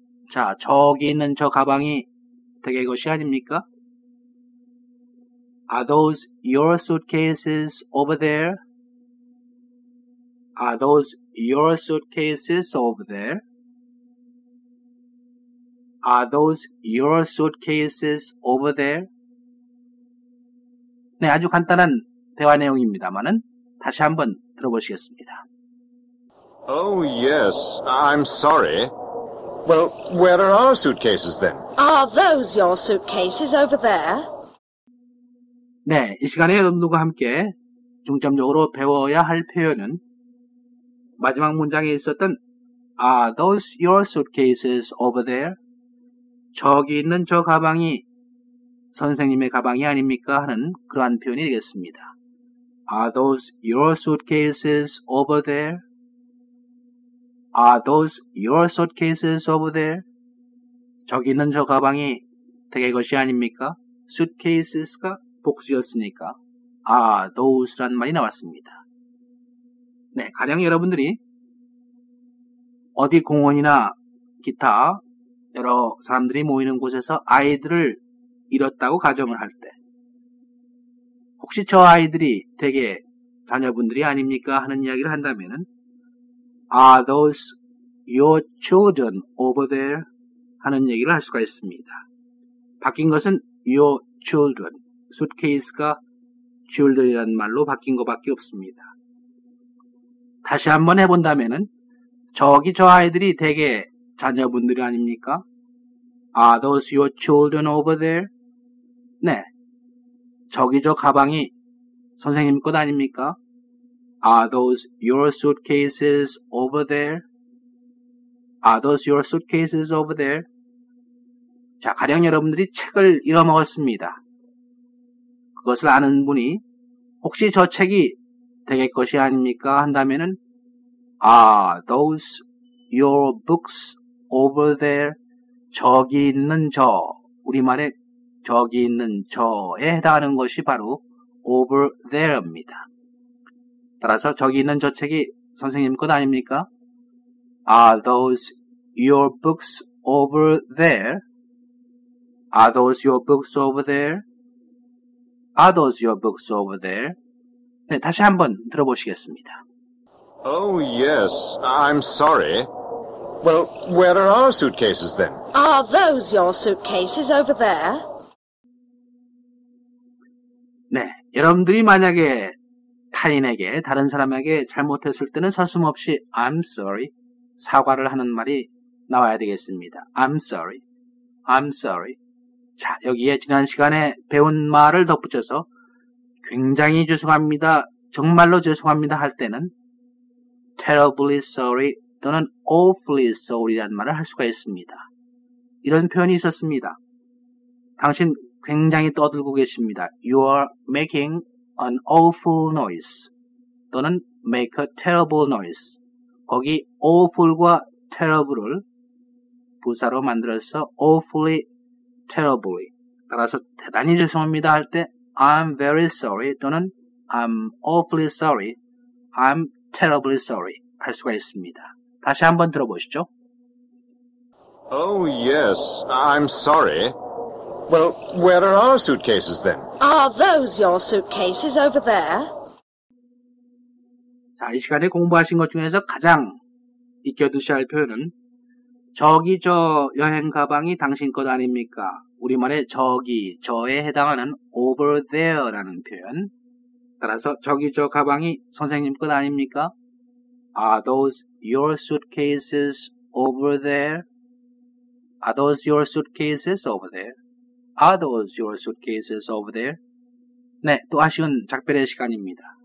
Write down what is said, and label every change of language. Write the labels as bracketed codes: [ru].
[ko] 자, 저기 있는 저 가방이 되게 것이 아닙니까? [en] Are those your suitcases over there? Are those your suitcases over there? Are those your suitcases over there? [ko] 네, 아주 간단한 대화 내용입니다만은 다시 한번 들어보시겠습니다. [en] Oh yes, I'm sorry. Well, where are our suitcases then? Are those your suitcases over there? [ko] 네, 이 시간에 여러분과 함께 중점적으로 배워야 할 표현은 마지막 문장에 있었던 [en] Are those your suitcases over there? [ko] 저기 있는 저 가방이 선생님의 가방이 아닙니까? 하는 그러한 표현이 되겠습니다. [en] Are those your suitcases over there? Are those your suitcases over there? [ko] 저기 있는 저 가방이 대개 것이 아닙니까? Suitcases가 복수였으니까 [en] Are those [ko] 란 말이 나왔습니다. 네, 가령 여러분들이 어디 공원이나 기타 여러 사람들이 모이는 곳에서 아이들을 잃었다고 가정을 할 때 혹시 저 아이들이 대개 자녀분들이 아닙니까? 하는 이야기를 한다면 [en] Are those your children over there? [ko] 하는 얘기를 할 수가 있습니다. 바뀐 것은 your children, suitcase가 children이라는 말로 바뀐 것밖에 없습니다. 다시 한번 해본다면 저기 저 아이들이 대개 자녀분들이 아닙니까? [en] Are those your children over there? [ko] 네, 저기 저 가방이 선생님 것 아닙니까? [en] Are those your suitcases over there? Are those your suitcases over there? [ko] 자, 가령 여러분들이 책을 잃어먹었습니다. 그것을 아는 분이 혹시 저 책이 대개 것이 아닙니까? 한다면은 [en] Are those your books over there? [ko] 저기 있는 저, 우리말에 저기 있는 저에 해당하는 것이 바로 over there입니다. 따라서 저기 있는 저 책이 선생님 것 아닙니까? [en] Are those your books over there? Are those your books over there? Are those your books over there? [ko] 네, 다시 한번 들어보시겠습니다. [en] Oh, yes. I'm sorry. Well, where are our suitcases then? Are those your suitcases over there? [ko] 네, 여러분들이 만약에 타인에게, 다른 사람에게 잘못했을 때는 서슴없이 [en] I'm sorry, [ko] 사과를 하는 말이 나와야 되겠습니다. [en] I'm sorry, I'm sorry. [ko] 자, 여기에 지난 시간에 배운 말을 덧붙여서 굉장히 죄송합니다, 정말로 죄송합니다 할 때는 [en] terribly sorry [ko] 또는 [en] awfully sorry [ko] 라는 말을 할 수가 있습니다. 이런 표현이 있었습니다. 당신 굉장히 떠들고 계십니다. [en] You are making an awful noise [ko] 또는 [en] make a terrible noise. [ko] 거기 awful과 terrible을 부사로 만들어서 awfully, terribly. 따라서 대단히 죄송합니다 할 때 [en] I'm very sorry [ko] 또는 [en] I'm awfully sorry, I'm terribly sorry [ko] 할 수가 있습니다. 다시 한번 들어보시죠. [en] Oh yes, I'm sorry. Well, where are our suitcases then? Are those your suitcases over there? [ko] 자, 이 시간에 공부하신 것 중에서 가장 익혀두셔야 할 표현은 저기 저 여행 가방이 당신 것 아닙니까? 우리말에 저기 저에 해당하는 over there라는 표현. 따라서 저기 저 가방이 선생님 것 아닙니까? Are those your suitcases over there? Are those your suitcases over there? Are those your suitcases over there? 네, 또 아쉬운 작별의 시간입니다.